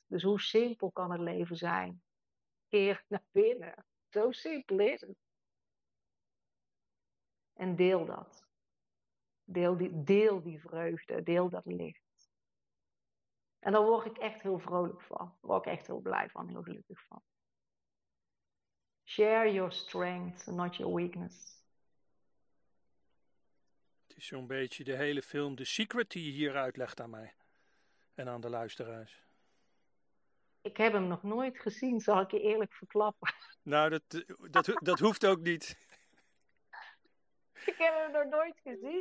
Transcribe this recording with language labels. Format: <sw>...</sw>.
<nl>Dus hoe simpel kan het leven zijn? Keer naar binnen. Zo simpel is het. En deel dat. Deel die vreugde. Deel dat licht. En daar word ik echt heel vrolijk van. Daar word ik echt heel blij van. Heel gelukkig van.</nl> <en>Share your strength, not your weakness.</en> <nl>Het is zo'n beetje de hele film The Secret die je hier uitlegt aan mij en aan de luisteraars. Ik heb hem nog nooit gezien, zal ik je eerlijk verklappen. Nou, dat hoeft ook niet. Ik heb hem nog nooit gezien.</nl>